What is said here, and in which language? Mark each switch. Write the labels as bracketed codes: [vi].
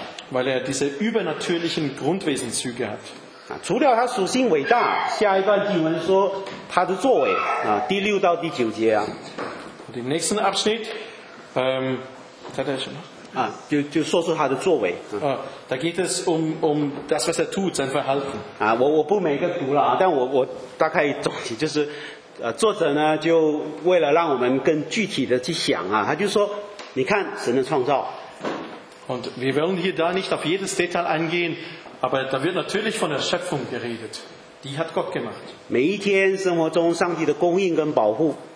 [de] Weil er diese übernatürlichen Grundwesenszüge hat. [zh] 除了他属性伟大，下一段经文说他的作为啊，第六到第九节啊。 [de] Im nächsten Abschnitt, hat er schon? [zh] 啊、就说出他的作为、 [de] Da geht es um das, was er tut, sein Verhalten、 [zh] 我不每个读了但 我大概总结就是、作者呢就为了让我们更具体的去想、他就说你看神的创造 [de] Und wir werden hier da nicht auf jedes Detail eingehen aber da wird natürlich von der Schöpfung geredet die hat Gott gemacht [zh] 每一天生活中上帝的供应跟保护